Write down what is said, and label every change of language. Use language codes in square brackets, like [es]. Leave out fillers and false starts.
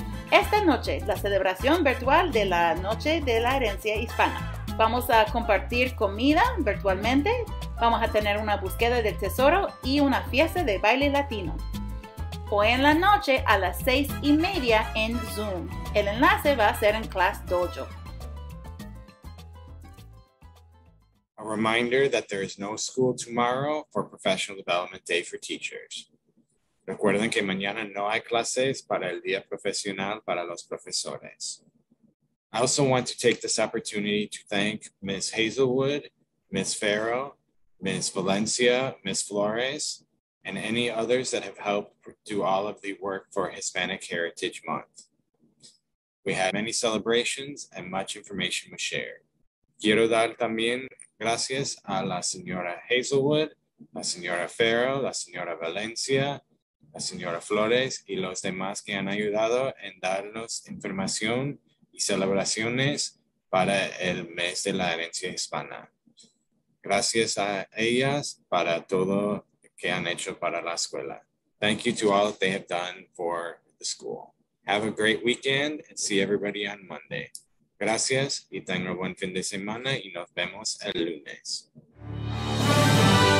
[es] Esta noche, la celebración virtual de la Noche de la Herencia Hispana. Vamos a compartir comida virtualmente. Vamos a tener una búsqueda del tesoro y una fiesta de baile latino. Hoy en la noche a las 6:30 en Zoom. El enlace va a ser en Class Dojo. [en] A reminder that there is no school tomorrow for Professional Development Day for teachers. [es] Recuerden que mañana no hay clases para el día profesional para los profesores. [en] I also want to take this opportunity to thank Ms. Hazelwood, Ms. Farrow, Ms. Valencia, Ms. Flores, and any others that have helped do all of the work for Hispanic Heritage Month. We had many celebrations and much information was shared. [es] Quiero dar también gracias a la señora Hazelwood, la señora Farrow, la señora Valencia, la señora Flores, y los demás que han ayudado en darnos información y celebraciones para el mes de la herencia hispana. Gracias a ellas para todo que han hecho para la escuela. [en] Thank you to all that they have done for the school. Have a great weekend and see everybody on Monday. [es] Gracias y tenga buen fin de semana y nos vemos el lunes.